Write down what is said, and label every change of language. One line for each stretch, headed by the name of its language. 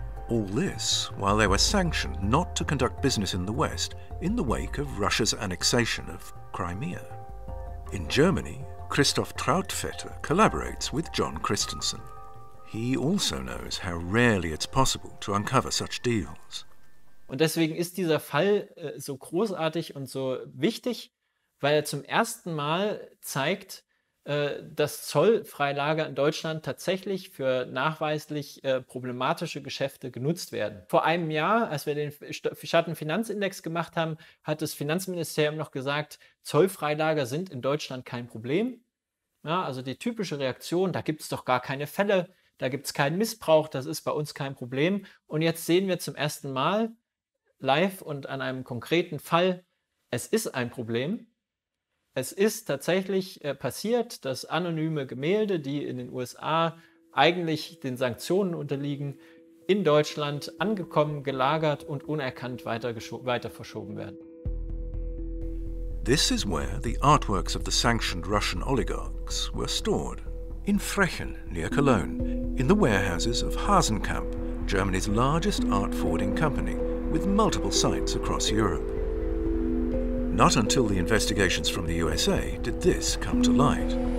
English: All this while they were sanctioned not to conduct business in the West in the wake of Russia's annexation of Crimea. In Germany, Christoph Trautvetter collaborates with John Christensen. He also knows how rarely it's possible to uncover such deals.
German: Und deswegen ist dieser Fall so großartig und so wichtig, weil zum ersten Mal zeigt, dass Zollfreilage in Deutschland tatsächlich für nachweislich problematische Geschäfte genutzt werden. Vor einem Jahr, als wir den Schattenfinanzindex gemacht haben, hat das Finanzministerium noch gesagt, Zollfreilage sind in Deutschland kein Problem. Ja, also die typische Reaktion, da gibt es doch gar keine Fälle, da gibt es keinen Missbrauch, das ist bei uns kein Problem. Und jetzt sehen wir zum ersten Mal live und an einem konkreten Fall, es ist ein Problem. Es ist tatsächlich passiert, dass anonyme Gemälde, die in den USA eigentlich den Sanktionen unterliegen, in Deutschland angekommen, gelagert und unerkannt weiter verschoben werden.
English: This is where the artworks of the sanctioned Russian oligarchs were stored, in Frechen, near Cologne, in the warehouses of Hasenkamp, Germany's largest art forwarding company, with multiple sites across Europe. Not until the investigations from the USA did this come to light.